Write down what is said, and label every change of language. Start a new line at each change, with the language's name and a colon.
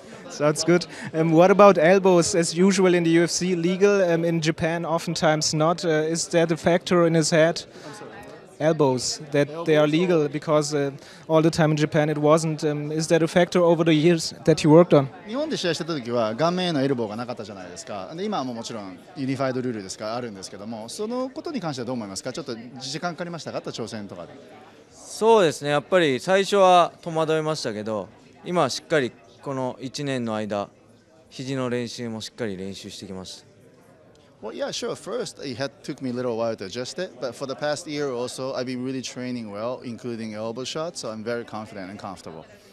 English: Sounds good. What about elbows? As usual in the UFC, legal in Japan, oftentimes not. Is that a factor in his head? Elbows, that they are legal, because all the time in Japan it wasn't. Is that a factor over the years that you worked on?
Japanese: 日本で試合した時は顔面へのエルボーがなかったじゃないですか。で、今はもちろんユニファイドルールですからあるんですけども、そのことに関してはどう思いますか？ちょっと時間かかりましたか？挑戦とかで。そうですね。やっぱり最初は戸惑いましたけど、今はしっかりこの1年の間、肘の練習もしっかり練習してきました。
English: Well, yeah, sure. First, it took me a little while to adjust it. But for the past year or so, I've been really training well, including elbow shots. So I'm very confident and comfortable.